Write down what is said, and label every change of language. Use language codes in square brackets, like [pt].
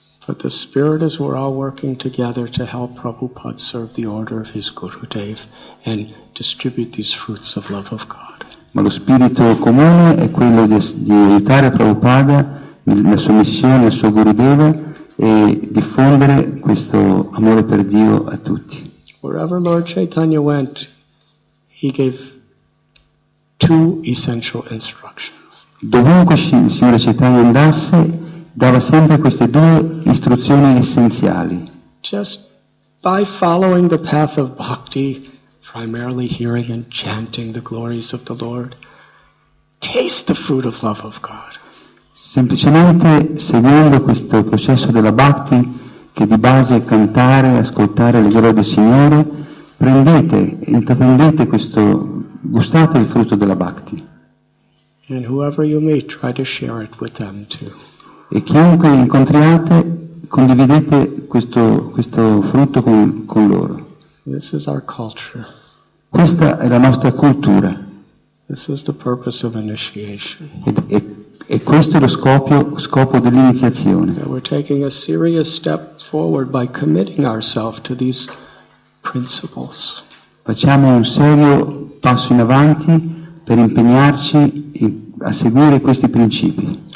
[en] But the spirit is we're all working together to help Prabhupada serve the order of his Gurudev and distribute these fruits of love of God. [it] Ma lo spirito comune è quello di aiutare Prabhupada nella sua missione al suo Gurudev e diffondere questo amore per Dio a tutti. [en] Wherever Lord Chaitanya went, he gave two essential instructions. [it] Dovunque il Signore Chaitanya andasse, dava sempre queste due istruzioni essenziali. [en] Just by following the path of bhakti, primarily hearing and chanting the glories of the Lord, taste the fruit of love of God. [it] Semplicemente seguendo questo processo della bhakti, che di base è cantare, ascoltare le glorie del Signore, prendete, intraprendete questo, gustate il frutto della bhakti. [en] And whoever you meet, try to share it with them too. [it] E chiunque incontriate, condividete questo frutto con loro. [en] This is our culture. [it] Questa è la nostra cultura. [en] This is the purpose of initiation. [it] E questo è lo scopo dell'iniziazione. [en] That we're taking a serious step forward by committing ourselves to these principles. [it] Facciamo un serio passo in avanti per impegnarci a seguire questi principi.